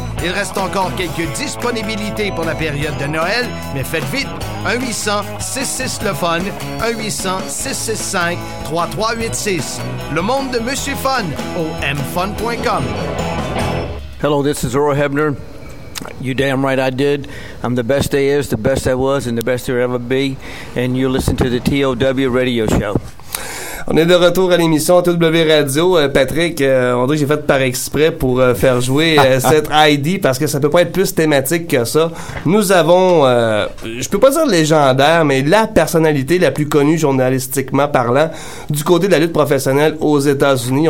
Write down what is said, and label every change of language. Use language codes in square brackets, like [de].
[fr] Il reste encore quelques disponibilités pour la période de Noël, mais faites vite! 1-800-66-LE-FUN, 1-800-665-3386. Le monde de Monsieur Fun au mfun.com. [en] Hello, this is Earl Hebner. You damn right I did. I'm the best there is, the best there was, and the best there ever be. And you listen to the TOW Radio Show. [fr] On est de retour à l'émission TOW Radio. Patrick, on dirait que j'ai fait par exprès pour faire jouer cette ID parce que ça peut pas être plus thématique que ça. Nous avons, je peux pas dire légendaire, mais la personnalité la plus connue journalistiquement parlant du côté de la lutte professionnelle aux États-Unis.